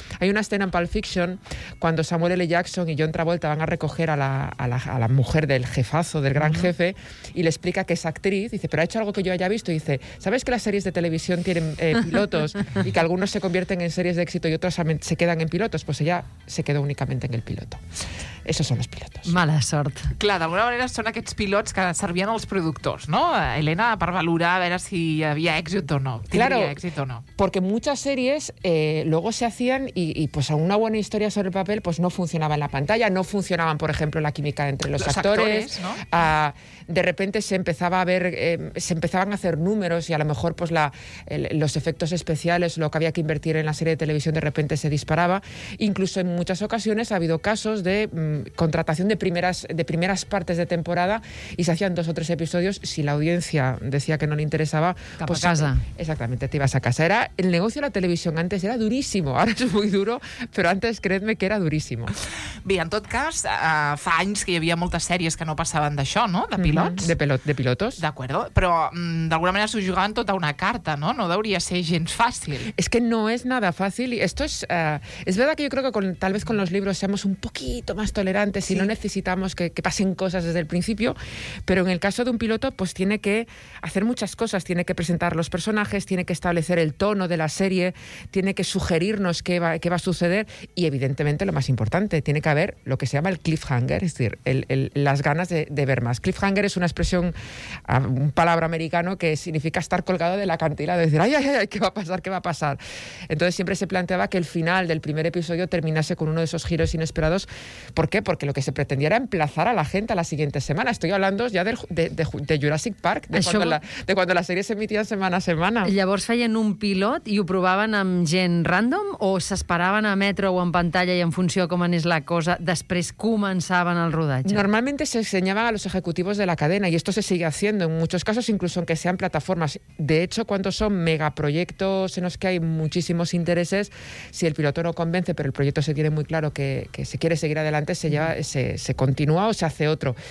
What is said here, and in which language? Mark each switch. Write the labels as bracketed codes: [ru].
[es] Hay una escena en Pulp Fiction cuando Samuel L. Jackson y John Travolta van a recoger a la mujer del jefazo, del gran jefe, y le explica que es actriz. Dice, pero ha hecho algo que yo haya visto. Y dice, ¿sabes que las series de televisión tienen pilotos y que algunos se convierten en series de éxito y otras se quedan en pilotos? Pues ella se quedó únicamente en el piloto. [ca] Esos són els pilots. Mala sort. Clar, d'alguna manera són aquests pilots que servien als productors, no? Elena, per valorar a veure si hi havia èxit o no. [es] Claro, porque muchas series luego se hacían y pues a una buena historia sobre el papel pues no funcionaba en la pantalla, no funcionaban, por ejemplo, la química entre los actores. De repente se empezaba a ver, se empezaban a hacer números y a lo mejor pues los efectos especiales, lo que había que invertir en la serie de televisión, de repente se disparaba. Incluso en muchas ocasiones ha habido casos de contratación de primeras partes de temporada y se hacían dos o tres episodios. Si la audiencia decía que no le interesaba, pues a casa. Exactamente, te ibas a casa. Era el negocio de la televisión antes, era durísimo. Ahora es muy duro, pero antes creedme que era durísimo. [ca] Bé, en tot cas, fa anys que hi havia moltes sèries que no passaven d'això, no? De pilots. [es] De pilotos. D'acuerdo. [ca] Però d'alguna manera s'ho jugaven tota una carta, no? No deuria ser gens fàcil. [es] Es que no es nada fácil. Esto es... Es verdad que yo creo que tal vez con los libros seamos un poquito más tolerantes y no necesitamos que pasen cosas desde el principio, pero en el caso de un piloto, pues tiene que hacer muchas cosas. Tiene que presentar los personajes, tiene que establecer el tono de la serie, tiene que sugerirnos qué va a suceder y, evidentemente, lo más importante, tiene que haber lo que se llama el cliffhanger, es decir, las ganas de ver más. Cliffhanger es una expresión, un palabra americano que significa estar colgado del acantilado, decir, ay, ay, ay, ¿qué va a pasar? ¿Qué va a pasar? Entonces siempre se planteaba que el final del primer episodio terminase con uno de esos giros inesperados. ¿Por qué? Porque lo que se pretendía era emplazar a la gente a la siguiente semana. Estoy hablando ya de Jurassic Park, de cuando la serie se emitía semana a semana. [ca] Llavors feien un pilot i ho provaven amb gent random o s'esperaven a metro o en pantalla i en funció com anés la cosa, després començaven el rodatge. [es] Normalmente se enseñaban a los ejecutivos de la cadena y esto se sigue haciendo en muchos casos, incluso aunque sean plataformas. De hecho, cuando son megaproyectos en los que hay muchísimos intereses, si el piloto no convence, pero el proyecto se tiene muy claro que se quiere seguir adelante, se continúa o se hace otro.